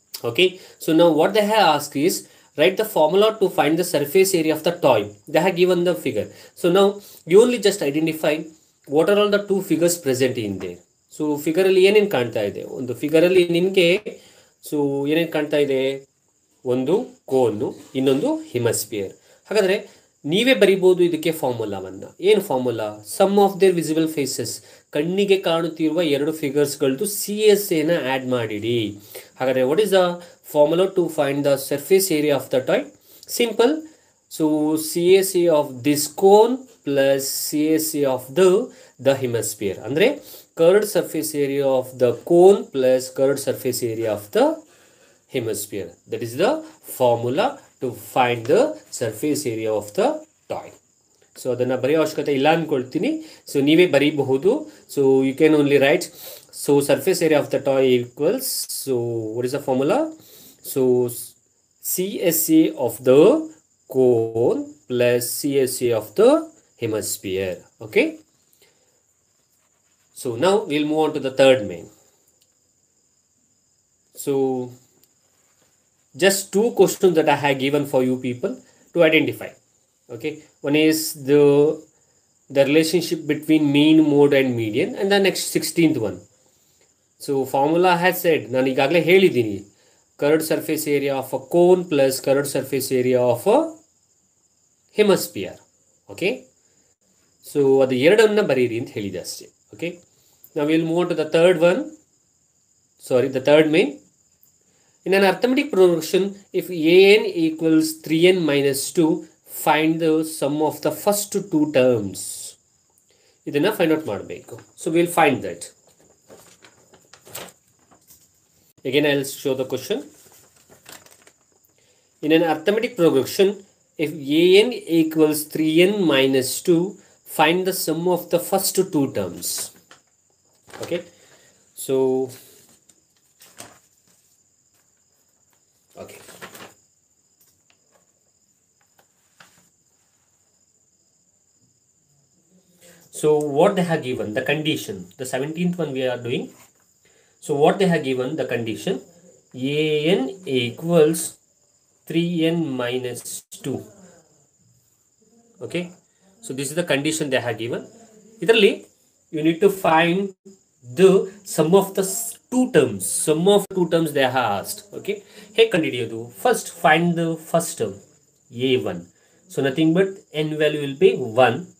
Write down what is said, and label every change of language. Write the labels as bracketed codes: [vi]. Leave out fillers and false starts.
[en] Okay, so now what they have asked is write the formula to find the surface area of the toy. They have given the figure. So now you only just identify what are all the two figures present in there. [kn] So figure alli yenen kaanta ide, ondu figure alli ninge so ಏನೇನು ಕಾಣ್ತಾ ಇದೆ, ಒಂದು ಕೋನು, ಇನ್ನೊಂದು ಹಿಮಸ್ಫಿಯರ್. ಹಾಗಾದರೆ ನೀವೇ ಬರಿಬೋದು ಇದಕ್ಕೆ ಫಾರ್ಮುಲಾವನ್ನು. ಏನು formula? [en] sum of their visible faces, [kn] ಕಣ್ಣಿಗೆ ಕಾಣುತ್ತಿರುವ ಎರಡು ಫಿಗರ್ಸ್ಗಳದ್ದು ಸಿ ಎಸ್ ಎನ ಆ್ಯಡ್ ಮಾಡಿಡಿ. [en] ಹಾಗಾದರೆ what is the formula to find the surface area of the toy? Simple, so C S A of this cone plus C S A of the hemisphere, ಅಂದರೆ curved surface area of the cone plus curved surface area of the hemisphere. That is the formula to find the surface area of the toy. [kn] So ಅದನ್ನು ಬರೆಯೋ ಅವಶ್ಯಕತೆ ಇಲ್ಲ ಅಂದ್ಕೊಳ್ತೀನಿ. So ನೀವೇ ಬರೀಬಹುದು. [en] So you can only write, so surface area of the toy equals, so what is the formula, so C S A of the cone plus C S A of the hemisphere. Okay, so now we'll move on to the third main. So just two questions that I have given for you people to identify. Okay, one is the relationship between mean mode and median, and the next 16th one. So formula has said, [kn] nan igagle helidini, [en] curved surface area of a cone plus curved surface area of a hemisphere. Okay, [kn] so ಅದು ಎರಡನ್ನು ಬರೀರಿ ಅಂತ ಹೇಳಿದೆ ಅಷ್ಟೇ. [en] Okay, ನಾವು ಇಲ್ಲಿ move to the third one, sorry the third main. In an arithmetic production, if an equals 3n minus 2, find the sum of the first two terms. [kn] ಇದನ್ನು find out ಮಾಡಬೇಕು. [en] So will find that. Again I will show the question. In an arithmetic production, if an equals 3n minus 2, find the sum of the first two terms. Okay, so okay, so what they have given the condition, the 17th one we are doing. So what they have given the condition, an equals 3n minus 2. Okay, so this is the condition they have given. ಇದರಲ್ಲಿ you need to find the sum of the two terms, sum of two terms they have asked. Okay, hey, kandidiyodu first find the first term a1, so nothing but n value will be 1.